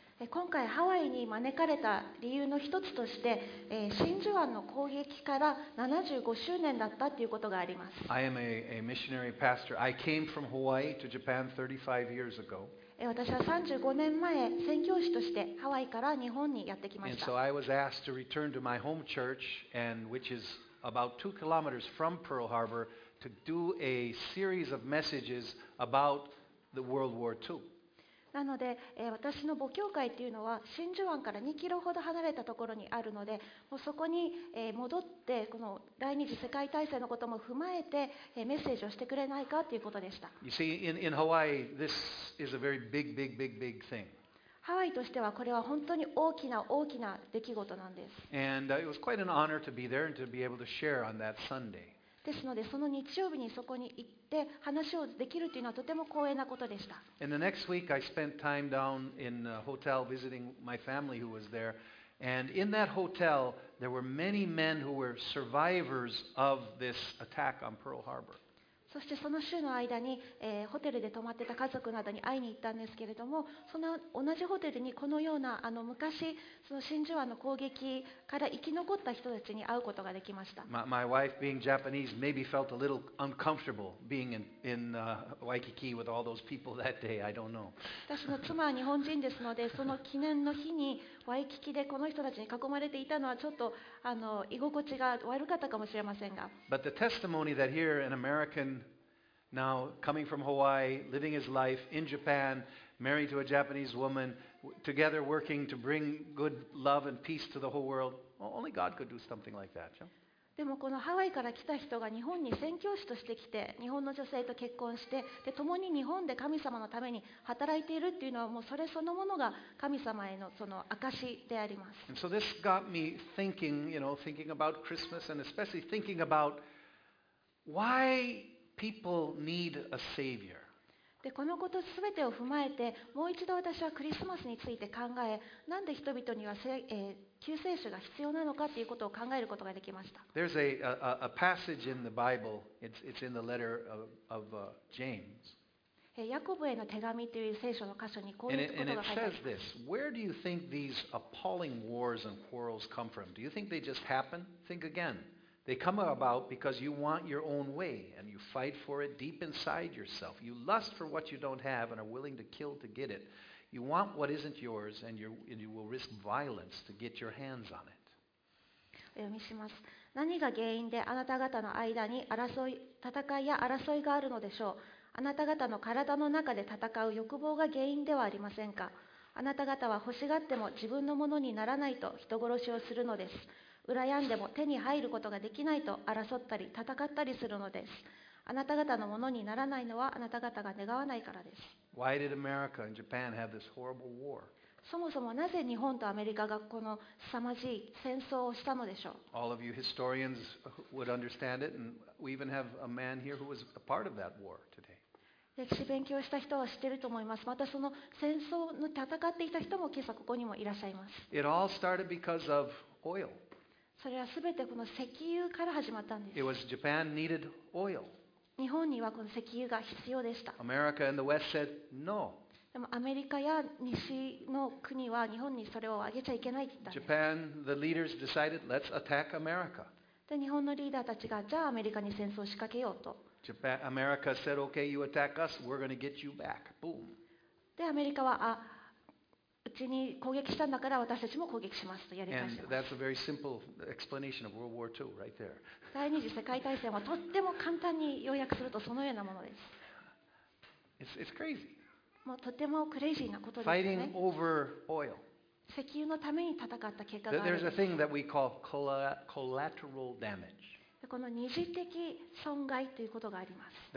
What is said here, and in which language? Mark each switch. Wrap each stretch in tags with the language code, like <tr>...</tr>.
<ja>今回ハワイに招かれた理由の一つとして、真珠湾の攻撃から75周年だったということがあります。</ja> <en>I am a missionary pastor. I came from Hawaii to Japan 35 years ago.</en> <ja>私は35年前、宣教師としてハワイから日本にやってきました。</ja> <en>And so I was asked to return to my home church, and which is about 2 kilometers from Pearl Harbor, to do a series of messages about. The World War II.</en> <ja>なので、私の母教会というのは真珠湾から2キロほど離れたところにあるので、もうそこに、戻ってこの第二次世界大戦のことも踏まえて、メッセージをしてくれないかということでした。</ja> <en>You see, in Hawaii, this is a very big, big, big, big thing.</en> <ja>ハワイとしてはこれは本当に大きな大きな出来事なんです。</ja> <en>And it was quite an honor to be there and to be able to share on that Sunday.</en> <ja>ですのでその日曜日にそこに行って話をできるというのはとても光栄なことでした。</ja> <en>And the next week I spent time down in a hotel visiting my family who was there. And in that hotel there were many men who were survivors of this attack on Pearl Harbor.</en> <ja>そしてその週の間に、ホテルで泊まってた家族などに会いに行ったんですけれども、その同じホテルにこのような昔その真珠湾の攻撃から生き残った人たちに会うことができました。</ja> <en>My wife being Japanese maybe felt a little uncomfortable being in Waikiki with all those people that day. I don't know.</en> <ja>私の妻は日本人ですので、その記念の日にワイキキでこの人たちに囲まれていたのはちょっと居心地が悪かったかもしれませんが。</ja> <en>But the testimony that here an American now coming from Hawaii, living his life in Japan, married to a Japanese woman, together working to bring good love and peace to the whole world, well, only God could do something like that, yeah?</en> <ja>でもこのハワイから来た人が日本に宣教師として来て日本の女性と結婚してで共に日本で神様のために働いているっていうのはもうそれそのものが神様へのその証であります。</ja> <en>And so this got me thinking, you know, thinking about Christmas and especially thinking about why people need a savior.</en> <ja>でこのことすべてを踏まえてもう一度私はクリスマスについて考えなんで人々には、救世主が必要なのかということを考えることができました。</ja> <en>There's a passage in the Bible. It's in the letter of James.</en> <ja>ヤコブへの手紙という聖書の箇所にこういうことが書いてあります。</ja> <en>And it says this. Where do you think these appalling wars and quarrels come from? Do you think they just happen? Think again. They come about because you want your own way. Fight for it deep inside yourself. You lust for what you don't have and are willing to kill to get it. You want what isn't yours and you will risk violence to get your hands on it.</en> <ja>お読みします。何が原因であなた方の間に争い戦いや争いがあるのでしょう。あなた方の体の中で戦う欲望が原因ではありませんか。あなた方は欲しがっても自分のものにならないと人殺しをするのです。羨んでも手に入ることができないと争ったり戦ったりするのです。あなた方のものにならないのはあなた方が願わないからです。</ja> <en>Why did America and Japan have this horrible war?</en> <ja>そもそもなぜ日本とアメリカがこの凄まじい戦争をしたのでしょう。</ja> <en>All of you historians would understand it, and we even have a man here who was a part of that war today.</en> <ja>歴史勉強した人は知っていると思います。またその戦争の戦っていた人も今朝ここにもいらっしゃいます。</ja> <en>It all started because of oil.</en> <ja>それはすべてこの石油から始まったんです。</ja> <en>It was Japan needed oil.</en> <ja>日本にはこの石油が必要でした。</ja> <en>America and the West said no.</en> <ja>でもアメリカや西の国は日本にそれをあげちゃいけないって言ったんです。</ja> <en>Japan, the leaders decided, let's attack America.</en> <ja>で、日本のリーダーたちがじゃあアメリカに戦争を仕掛けようと。</ja> <en>Japan, America said, okay, you attack us, we're going to get you back. Boom.</en> <ja>で、アメリカはあ、うちに攻撃したんだから私たちも攻撃しますとやり返します。</ja> <en>And that's a very simple explanation of World War II, right there.</en> <ja>第二次世界大戦はとっても簡単に要約するとそのようなものです。</ja> <en>It's crazy.</en> <ja>もうとてもクレイジーなことですね。</ja> <en>Fighting over oil.</en> <ja>石油のために戦った結果があるんです。</ja> <en>There's a thing that we call collateral damage.</en> <ja>この二次的損害ということがあります。</ja>